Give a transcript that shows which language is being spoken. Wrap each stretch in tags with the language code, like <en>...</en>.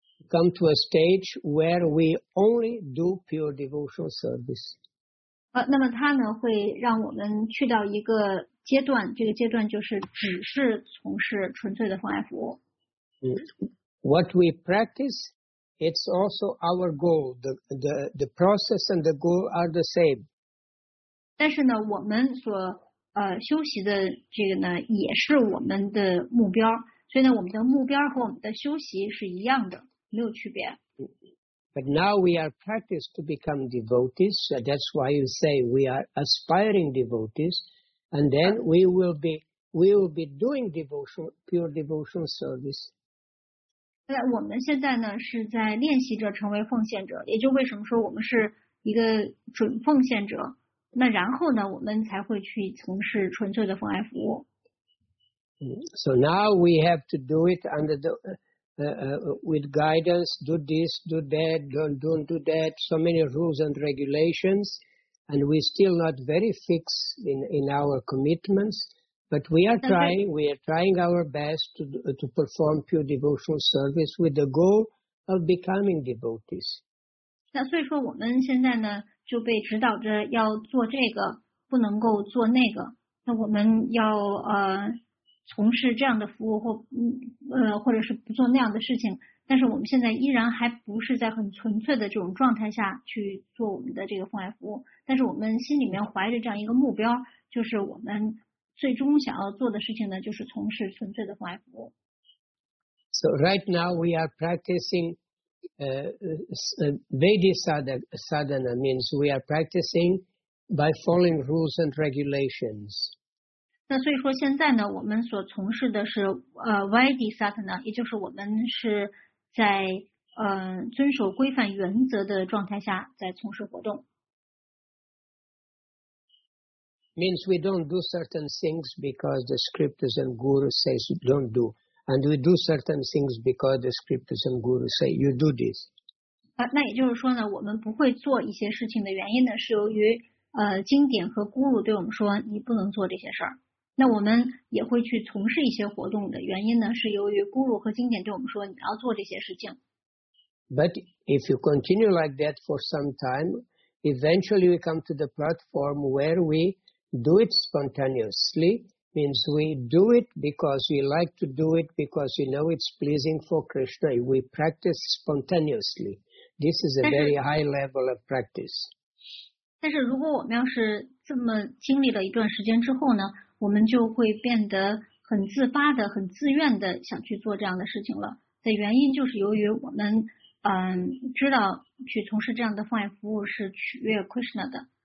<en>Come to a stage where we only do pure devotional service.</en> <zh>那么它呢会让我们去到一个阶段，这个阶段就是只是从事纯粹的奉爱服务。</zh> <en>What we practice, it's also our goal. The process and the goal are the same.</en> <zh>但是呢，我们所修习的这个呢，也是我们的目标。所以呢，我们的目标和我们的修习是一样的，没有区别。</zh> <en>But now we are practiced to become devotees. So that's why you say we are aspiring devotees, and then we will be doing devotion, pure devotional service.</en> <zh>那我们现在呢是在练习着成为奉献者，也就为什么说我们是一个准奉献者，那然后呢我们才会去从事纯粹的奉爱服务。</zh> <en>So now we have to do it under the, with guidance, do this, do that, don't do that, so many rules and regulations, and we're still not very fixed in our commitments. But we are trying our best to perform pure devotional service with the goal of becoming devotees.</en> <zh>那所以说我们现在呢就被指导着要做这个，不能够做那个。那我们要从事这样的服务或者是不做那样的事情，但是我们现在依然还不是在很纯粹的这种状态下去做我们的这个奉爱服务，但是我们心里面怀着这样一个目标，就是我们最终想要做的事情呢，就是从事纯粹的奉爱服务。</zh> <en>So right now we are practicing Vedic sadhana, means we are practicing by following rules and regulations.</en> <zh>那所以说现在呢，我们所从事的是Vedic sadhana， 也就是我们是在遵守规范原则的状态下在从事活动。</zh> <en>Means we don't do certain things because the scriptures and gurus say don't do. And we do certain things because the scriptures and gurus say you do this.</en> <zh>那也就是说呢，我们不会做一些事情的原因呢，是由于经典和古鲁对我们说你不能做这些事儿。那我们也会去从事一些活动的原因呢，是由于古鲁和经典对我们说你要做这些事情。</zh> <en>But if you continue like that for some time, eventually we come to the platform where we do it spontaneously, means we do it because we like to do it, because you know it's pleasing for Krishna. We practice spontaneously. This is a very high level of practice.</en> <zh>但是如果我们要是这么经历了一段时间之后呢，我们就会变得很自发的、很自愿的想去做这样的事情了。的原因就是由于我们知道去从事这样的奉爱服务是取悦 Krishna 的。</zh>